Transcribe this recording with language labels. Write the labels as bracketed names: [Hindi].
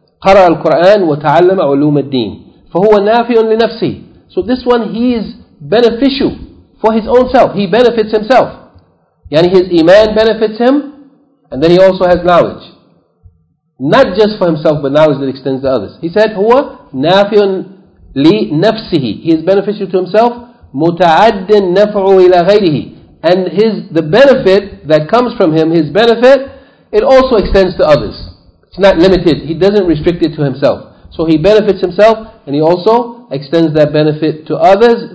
[Arabic] قَرَأَ الْقُرْآنِ وَتَعَلَّمَ عُلُومَ الدِّينِ. فَهُوَ نَافِعٌ لِنَفْسِهِ. [English] So this one, he is beneficial for his own self. He benefits himself. Yani his iman benefits him, and then he also has knowledge. Not just for himself, but knowledge that extends to others. He said, [Arabic] هو نافع لنفسه. [English] He is beneficial to himself. [Arabic] متعد النفع إلى غيره. [English] And the benefit that comes from him, his benefit, it also extends to others. It's not limited. He doesn't restrict it to himself. So he benefits himself, and he also extends that benefit to others.